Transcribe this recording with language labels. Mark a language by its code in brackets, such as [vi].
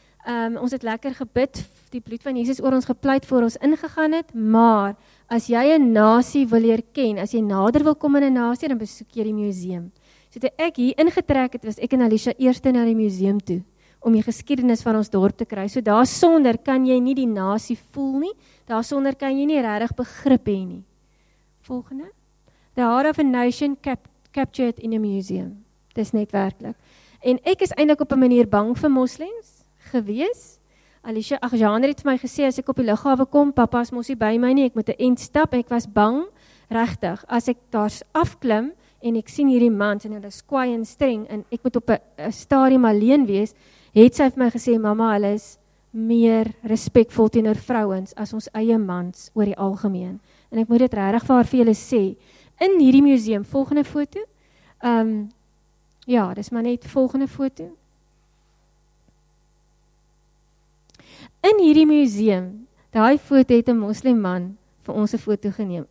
[af] Ons het lekker gebid, die bloed van Jesus oor ons gepleit voor ons ingegaan het, maar as jy 'n nasie wil leer ken, as jy nader wil kom in 'n nasie, dan besoek jy die museum. So toe ek hier ingetrek het, was ek en Alicia eerste na die museum toe, om die geskiedenis van ons dorp te kry. So daar sonder kan jy nie die nasie voel nie, daar sonder kan jy nie regtig begrip hê nie. Volgende. [en] The Heart of a Nation captured in a museum. [af] Dis net werklik. En ek is eintlik op 'n manier bang vir moslems gewees. Alicia, ag, Janer het vir my gesê, as ek op die lughawe kom, papa is mos nie by my nie, ek moet 'n end stap, ek was bang, regtig, as ek daar afklim, en ek sien hierdie mans, en hulle is kwaai en streng, en ek moet op 'n stadium alleen wees, het sy vir my gesê, mama, hulle is meer respectvol teenoor vrouens, as ons eie mans, oor die algemeen, en ek moet dit regtig vir haar vir julle sê, in hierdie museum, volgende foto, dis maar net volgende foto, in hierdie museum, daai foto het 'n moslim man vir ons 'n foto geneem.